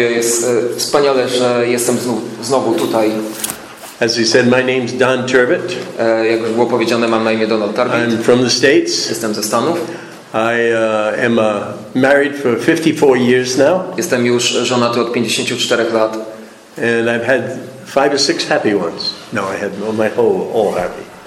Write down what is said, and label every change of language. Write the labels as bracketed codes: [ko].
[pl] Jest wspaniale, że jestem znowu tutaj. [en] As you said, my name's Don Turbett. [pl] Jak było powiedziane, mam na imię Donald Turbett. [en] I'm from the States. [pl] Jestem ze Stanów. [en] I am married for 54 years now. [pl] Jestem już żonaty od 54 lat. [en] And I've had 5 or 6 happy ones. No, I had my whole all happy.